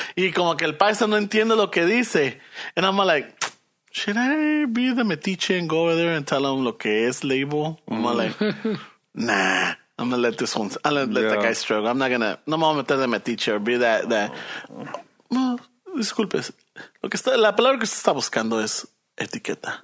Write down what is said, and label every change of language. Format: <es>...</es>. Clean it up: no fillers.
<es>Y como que el paisa no entiende lo que dice.</es> <en>And I'm like, should I be the metiche and go over there and tell him</en> <es>lo que es</es> <en>label? I'm like, nah, I'm going to let this one, I'll let the guy struggle. I'm not going to,</en> <es>no me voy a meter de metiche</es> <en>or be that.</en> <es>No, disculpes. Lo que está, la palabra que usted está buscando es etiqueta.</es>